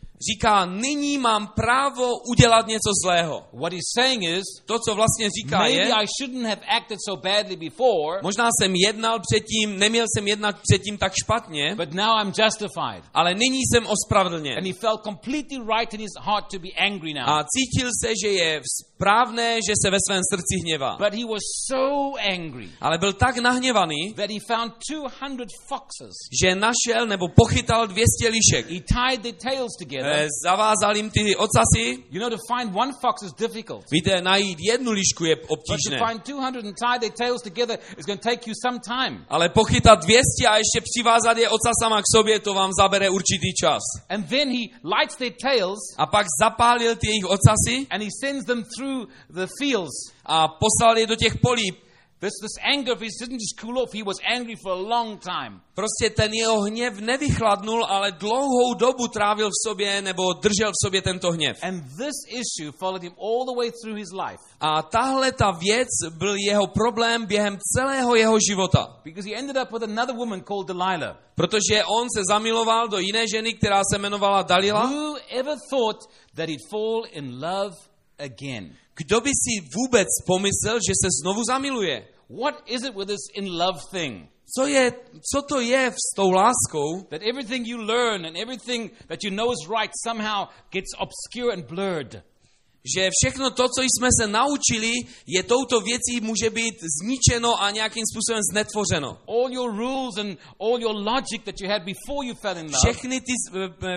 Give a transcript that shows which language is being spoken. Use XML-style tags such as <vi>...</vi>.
<cs>Říká, nyní mám právo udělat něco zlého.</cs> <en>What he's saying is,</en> <cs>to, co vlastně říká,</cs> <en>maybe</en> <cs>je,</cs> <en>I shouldn't have acted so badly before,</en> <cs>možná jsem jednal předtím, neměl jsem jednat předtím tak špatně,</cs> <en>but now I'm justified.</en> <cs>Ale nyní jsem ospravedlněn.</cs> <en>And he felt completely right in his heart to be angry now.</en> <cs>A cítil se, že je správné, že se ve svém srdci hněvá.</cs> <en>But he was so angry,</en> <cs>ale byl tak nahněvaný,</cs> <en>that he found 200 foxes.</en> <cs>Že našel nebo pochytal 200 lišek.</cs> <en>He tied the tails together.</en> <cs>Zavázal jim ty ocasy.</cs> <en>You know, to find one fox is difficult.</en> <cs>Víte, najít jednu lišku je obtížné.</cs> <en>But to find 200 and tie their tails together is going to take you some time.</en> <cs>Ale pochytat 200 a ještě přivázat je ocasama k sobě, to vám zabere určitý čas.</cs> <en>And then he lights their tails.</en> <cs>A pak zapálil ty jejich ocasy.</cs> <en>And he sends them through the fields.</en> <cs>A poslal je do těch polí.</cs> <en>This anger of his didn't just cool off, he was angry for a long time.</en> <cs>Prostě ten jeho hněv nevychladnul, ale dlouhou dobu trávil v sobě nebo držel v sobě tento hněv.</cs> <en>And this issue followed him all the way through his life.</en> <cs>A tahle ta věc byl jeho problém během celého jeho života.</cs> <en>Because he ended up with another woman called Delilah.</en> <cs>Protože on se zamiloval do jiné ženy, která se jmenovala Dalila.</cs> <en>Who ever thought that he'd fall in love again?</en> <cs>Kdo by si vůbec pomyslel, že se znovu zamiluje?</cs> <en>What is it with this in love thing?</en> <cs>Co to je s tou láskou?</cs> <en>That everything you learn and everything that you know is right somehow gets obscure and blurred.</en> <cs>Že všechno to, co jsme se naučili, je touto věcí může být zničeno a nějakým způsobem znetvořeno.</cs> <en>All your rules and all your logic that you had before you fell in love.</en>